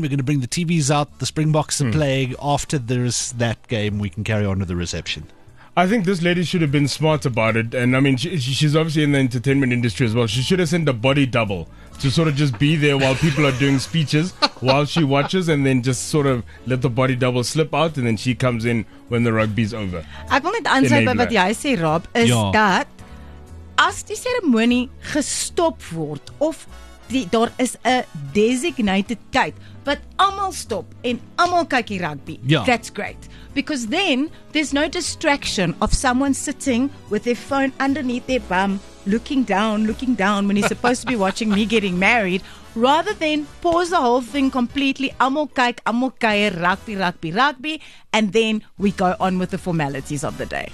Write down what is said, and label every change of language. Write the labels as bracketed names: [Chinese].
[English] We're going to bring the TVs out, the Springboks are playing. After there's that game, we can carry on with the reception. I think this lady should have been smart about it. And I mean, she's obviously in the entertainment industry as well. She should have sent a body double to sort of just be there while people are doing speeches while she watches, and then just sort of let the body double slip out, and then she comes in when the rugby's over. [Afrikaans] Ek wil net aansluit by wat jy sê, Rob, is dat as die seremonie gestop word of daar is 'n designated tyd wat almal stop en almal kyk die rugby. [English] Yeah. That's great. Because then there's no distraction of someone sitting with their phone underneath their bum looking down when he's supposed to be watching me getting married, rather than pause the whole thing completely, [Afrikaans] almal kyk, almal kyk, [English] rugby, and then we go on with the formalities of the day.